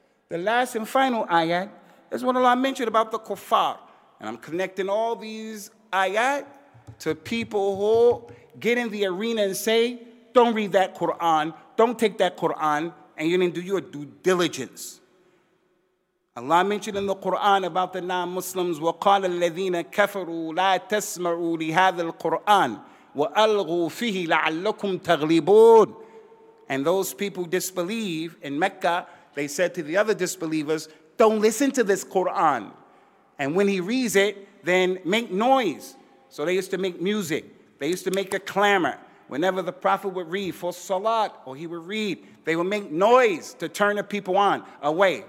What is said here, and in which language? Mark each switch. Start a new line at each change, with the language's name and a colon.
English: The last and final ayat is what Allah mentioned about the kuffar. And I'm connecting all these ayat to people who get in the arena and say, don't read that Quran, don't take that Quran, and you didn't do your due diligence.
Arabic: Allah mentioned in the Quran about the non-Muslims, وَقَالَ الَّذِينَ كَفَرُوا لَا تَسْمَعُوا لِهَذَا الْقُرْآنِ وَأَلْغُوا فِيهِ لَعَلَّكُمْ تَغْلِبُونَ.
English: And those people disbelieve in Mecca, they said to the other disbelievers, don't listen to this Quran. And when he reads it, then make noise. So they used to make music. They used to make a clamor. Whenever the Prophet would read for Salat, or he would read, they would make noise to turn the people on, away.